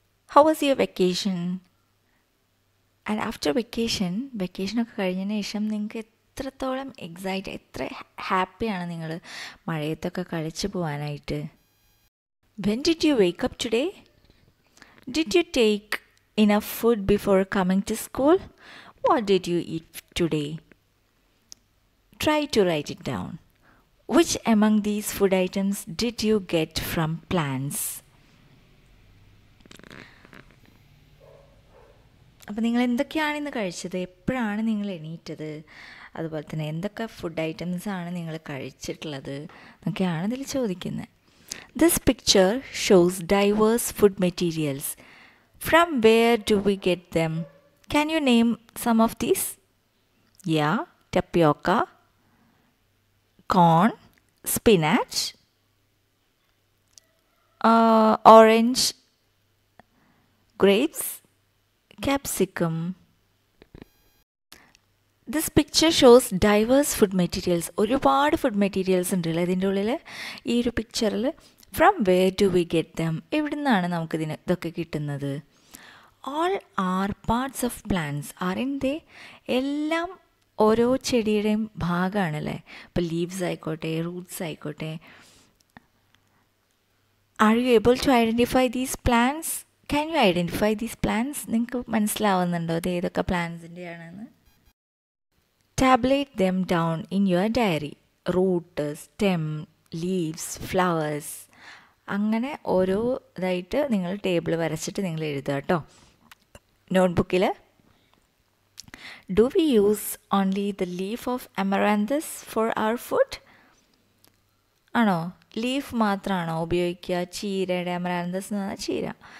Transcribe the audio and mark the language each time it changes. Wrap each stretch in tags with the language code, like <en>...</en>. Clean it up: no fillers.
<en>How was your vacation? And after vacation,</en> <ml>വെക്കേഷനൊക്കെ കഴിഞ്ഞതിന് ശേഷം നിങ്ങൾക്ക് എത്രത്തോളം എക്സൈറ്റ്, എത്ര ഹാപ്പിയാണ് നിങ്ങൾ മഴയത്തൊക്കെ കളിച്ചു പോകാനായിട്ട്?</ml> <en>When did you wake up today? Did you take enough food before coming to school? What did you eat today? Try to write it down. Which among these food items did you get from plants?</en> <ml>അപ്പോൾ നിങ്ങൾ എന്തൊക്കെയാണ് ഇന്ന് കഴിച്ചത്, എപ്പോഴാണ് നിങ്ങൾ എണീറ്റത്, അതുപോലെ തന്നെ എന്തൊക്കെ ഫുഡ് ഐറ്റംസ് ആണ് നിങ്ങൾ കഴിച്ചിട്ടുള്ളത് എന്നൊക്കെയാണ് ഇതിൽ ചോദിക്കുന്നത്.</ml> <en>This picture shows diverse food materials. From where do we get them? Can you name some of these? Yeah, tapioca, corn, spinach, orange, grapes, capsicum. This picture shows diverse food materials.</en> <ml>ഒരുപാട് food materials ഉണ്ടല്ലോ ഇതിൻ്റെ ഉള്ളിൽ ഈ ഒരു പിക്ചറിൽ.</ml> <en>From where do we get them?</en> <ml>എവിടെ നിന്നാണ് നമുക്ക് ഇതിന് ഇതൊക്കെ കിട്ടുന്നത്?</ml> <en>All are parts of plants, aren't they?</en> <ml>എല്ലാം ഓരോ ചെടിയുടെയും ഭാഗമാണല്ലേ. ഇപ്പോൾ ലീവ്സ് ആയിക്കോട്ടെ, റൂട്ട്സ് ആയിക്കോട്ടെ.</ml> <en>Are you able to identify these plants? Can you identify these plants?</en> <ml>നിങ്ങൾക്ക് മനസ്സിലാവുന്നുണ്ടോ ഇത് ഏതൊക്കെ പ്ലാന്റ്സിൻ്റെയാണെന്ന്?</ml> <en>Tabulate them down in your diary. Root, stem, leaves, flowers.</en> <ml>അങ്ങനെ ഓരോ ഇതായിട്ട് നിങ്ങൾ ടേബിൾ വരച്ചിട്ട് നിങ്ങൾ എഴുതുക കേട്ടോ നോട്ട്ബുക്കിൽ.</ml> <en>Do we use only the leaf of amaranthus for our food?</en> <ml>ആണോ, ലീഫ് മാത്രമാണോ ഉപയോഗിക്കുക ചീരയുടെ? അമരാന്തസ് എന്ന് പറഞ്ഞാൽ ചീര.</ml>